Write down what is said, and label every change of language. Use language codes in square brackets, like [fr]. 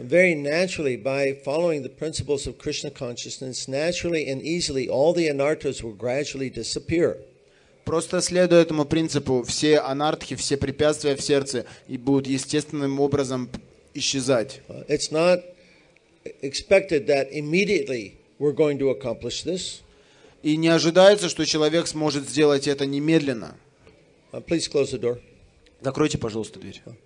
[en] Very naturally, by following the principles of Krishna consciousness, naturally and easily, all the anarthas will gradually disappear. [ru] Просто следуя этому принципу, все анартхи, все препятствия в сердце и будут естественным образом исчезать. [en] It's not expected that immediately we're going to accomplish this. [ru] И не ожидается, что человек сможет сделать это немедленно. [en] Please close the door. [ru] Закройте, пожалуйста, дверь.